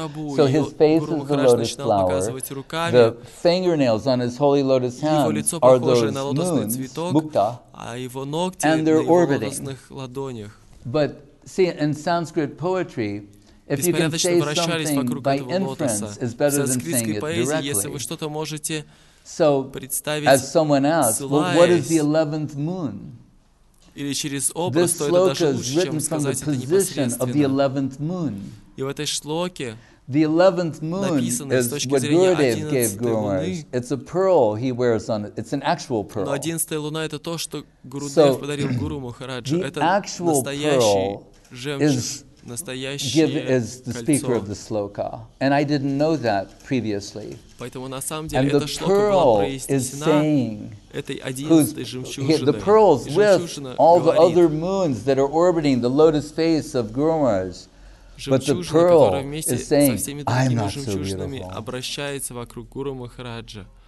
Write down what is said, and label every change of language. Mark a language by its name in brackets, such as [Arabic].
[English] So his face is the lotus flower. The fingernails on his holy lotus hands are those moons, mukta, and they're orbiting. But see, in Sanskrit poetry, if you can say something by inference, it's better than saying it directly. So as someone asked, well, what is the 11th moon? [Russian] Или через образ, то это даже лучше, чем сказать это непосредственно. [English] The 11th moon. [Russian] И в этой шлоке написано с точки зрения 11-й луны. [English] It's an actual pearl. [Russian] Но 11-я луна — это то, что Гурудев подарил Гуру Махараджу. Это настоящий жемчуг. [English] Give is the speaker of the sloka, and I didn't know that previously. And the pearl is saying, the pearls with all the other moons that are orbiting the lotus face of Guru Maharaj, but the pearl is saying, I'm not so beautiful.